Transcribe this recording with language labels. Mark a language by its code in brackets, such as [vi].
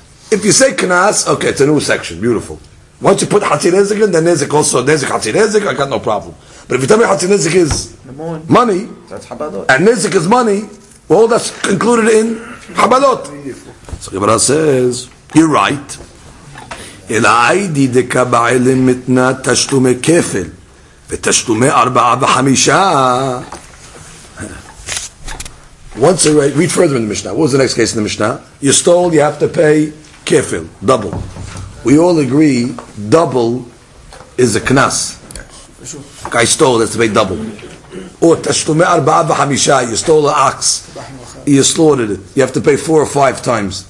[en] If you say knas, okay, it's a new section, beautiful. Once you put Hatzi Nezik in, then Nezik also, Nezik, Hatzi Nezik, I got no problem. But if you tell me Hatzi Nezik is money, that's habalot. And Nezik is money, well, that's concluded in habalot. So Gemara says, you're right. [he] אלא עידי דקבעי למתנה תשלומי כפל ותשלומי ארבעה וחמישה. [en] Once you read further in the Mishnah, what was the next case in the Mishnah? You stole, you have to pay כפל, double. We all agree, double is a knas. I stole, that's to pay double. Or [he] תשלומי ארבעה וחמישה, [en] you stole an ox, you slaughtered it, you have to pay four or five times.